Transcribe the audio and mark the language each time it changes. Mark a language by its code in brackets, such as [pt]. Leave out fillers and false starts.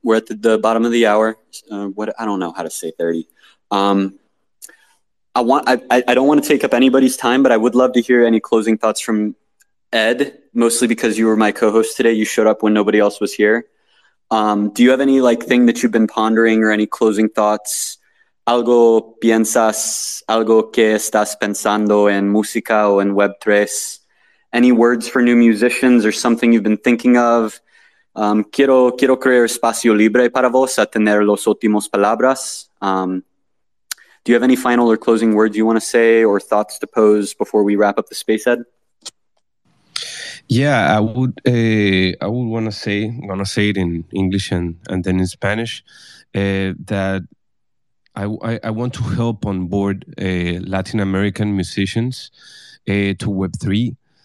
[en] We're at the bottom of the hour. I don't know how to say 30. I don't want to take up anybody's time, but I would love to hear any closing thoughts from Ed, mostly because you were my co-host today. You showed up when nobody else was here. Do you have any like thing that you've been pondering or any closing thoughts? [es] Algo piensas, algo que estás pensando en música o en Web3? [en] Any words for new musicians or something you've been thinking of? [es] Quiero crear espacio libre para vos a tener los últimos palabras. [en] Do you have any final or closing words you want to say or thoughts to pose before we wrap up the space, Ed? Yeah, I would want to say it in English and then in Spanish, that I want to help onboard Latin American musicians to Web3.